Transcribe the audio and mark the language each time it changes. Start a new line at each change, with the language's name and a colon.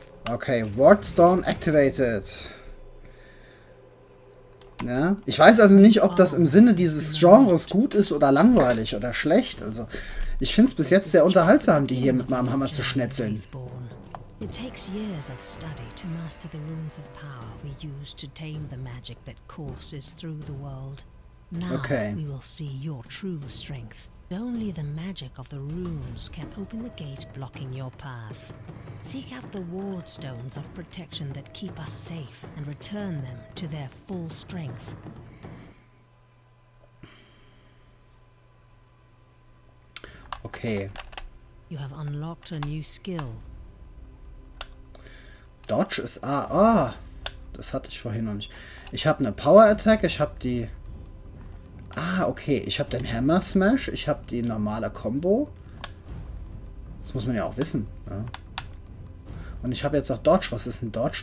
English: Okay, Wardstone activated.
German: Ja? Ich weiß also nicht, ob das im Sinne dieses Genres gut ist oder langweilig oder schlecht. Also, ich finde es bis jetzt sehr unterhaltsam, die hier mit meinem Hammer zu schnetzeln.
English: It takes years of study to master the runes of power we use to tame the magic that courses through the world. Now we will see your true strength. Only the magic of the runes can open the gate blocking your path. Seek out the ward stones of protection that keep us safe and return them to their full strength. Okay. You have unlocked a new skill.
German: Dodge ist A. Ah, oh, das hatte ich vorhin noch nicht. Ich habe eine Power Attack, ich habe die... Ah, okay, ich habe den Hammer Smash, ich habe die normale Combo. Das muss man ja auch wissen, ja. Und ich habe jetzt auch Dodge. Was ist ein Dodge?